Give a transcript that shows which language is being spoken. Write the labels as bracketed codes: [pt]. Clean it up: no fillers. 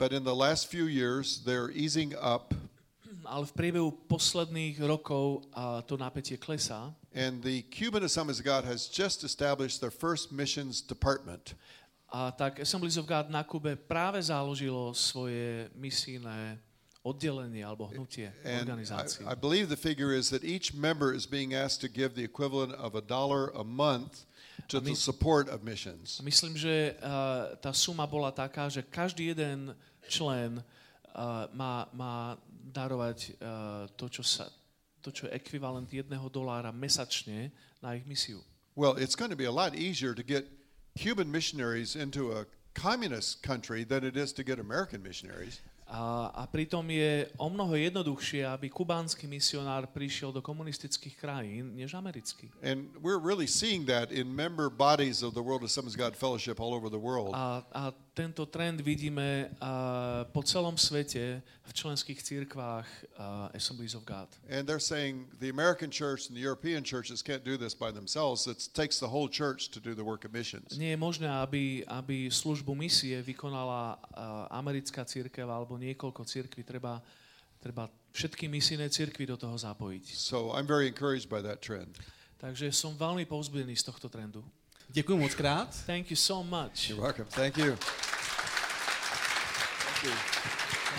[en] But in the last few years they're easing up. [sk] Ale v priebehu posledných rokov to napätie klesá. [en] And the Cuban Assemblies of God has just established their first missions department. [sk] A tak Assemblies of God na Kube práve založilo svoje misijné oddelenie alebo hnutie, organizáciu. [en] I believe the figure is that each member is being asked to give the equivalent of a dollar a month to the support of missions. [sk] Myslím, že tá suma bola taká, že každý jeden člen má darovať to, čo je ekvivalent jedného dolára mesačne na ich misiu. [en] Well, it's going to be a lot easier to get Cuban missionaries into a communist country than it is to get American missionaries. [sk] A pritom je o mnoho jednoduchšie, aby kubánsky misionár prišiel do komunistických krajín, než americký. [en] And we're really seeing that in member bodies of the World Assemblies of God Fellowship all over the world. [sk] A tento trend vidíme po celom svete v členských cirkvách Assemblies of God. [en] And they're saying the American church and the European churches can't do this by themselves. It takes the whole church to do the work of missions. [sk] Nie je možné, aby službu misie vykonala americká cirkev alebo niekoľko cirkví. Treba všetky misijné cirkvi do toho zapojiť. [en] So I'm very encouraged by that trend. [sk] Takže som veľmi povzbudený z tohto trendu. Ďakujem moc krát. [en] Thank you so much. You're welcome. Thank you. Thank you.